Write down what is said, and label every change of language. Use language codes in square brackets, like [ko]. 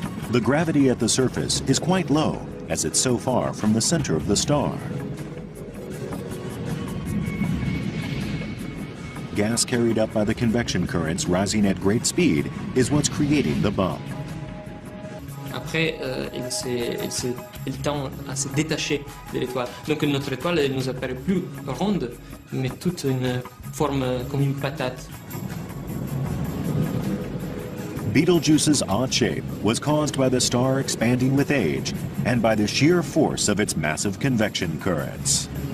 [en] The gravity at the surface is quite low, as it's so far from the center of the star. Gas carried up by the convection currents rising at great speed is what's creating the bump. [fr] après, elle tend à se détacher de l'étoile. Donc notre étoile nous apparaît plus ronde, mais toute une forme comme une patate. [en] Betelgeuse's odd shape was caused by the star expanding with age and by the sheer force of its massive convection currents.